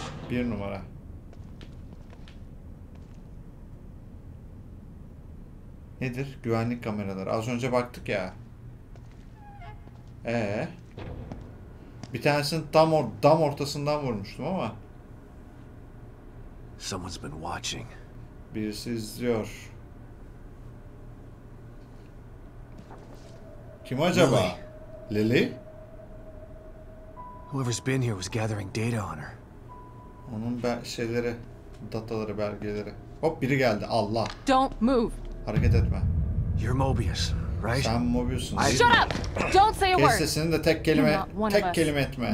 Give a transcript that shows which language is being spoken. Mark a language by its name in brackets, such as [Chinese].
[Turkish] Bir numara. Nedir? Güvenlik kameraları. Az önce baktık ya. Bir tanesini tam ortasından vurmuştum ama. [English] Someone's been watching. [Turkish] Birisi izliyor. Kim acaba? [English] Lily? Whoever's been here was gathering data on her. [Turkish] Onun şeyleri, dataları, belgeleri. Hop biri geldi. Allah. [English] Don't move. [Turkish] Hareket etme. [English] You're Mobius, right? [Turkish] Sen Mobius'sun. [English] Shut up. Don't say a word. [Turkish] Kesesini de tek kelime, tek kelime etme.